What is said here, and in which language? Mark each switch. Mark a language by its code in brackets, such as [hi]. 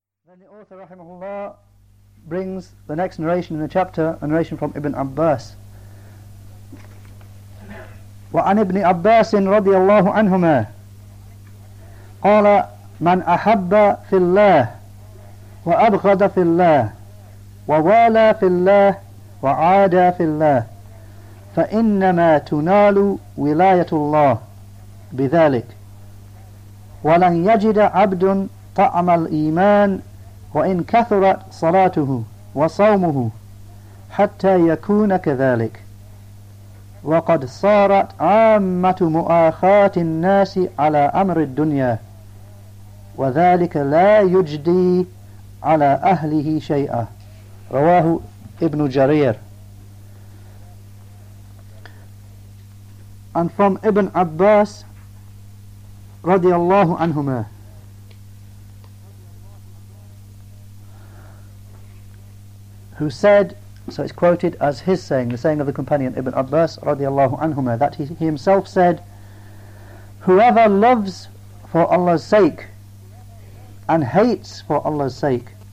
[en] Then the author, rahimahullah, brings the next narration in the chapter, a narration from Ibn Abbas. [ar] وعن ابن عباس رضي الله عنهما قال من أحب في الله وأبغض في الله ووالى في الله وعادى في الله فإنما تنال ولاية الله بذلك ولن يجد عبد طعم الإيمان وإن كثرت صلاته وصومه حتى يكون كذلك وقد صارت عامة مؤاخاة الناس على أمر الدنيا وذلك لا يجدي على أهله شيئا رواه ابن جرير. [en] And from Ibn Abbas [ar] رضي الله عنهما, [en] who said, so it's quoted as his saying, the saying of the companion Ibn Abbas radiallahu anhuma, that he himself said, whoever loves for Allah's sake and hates for Allah's sake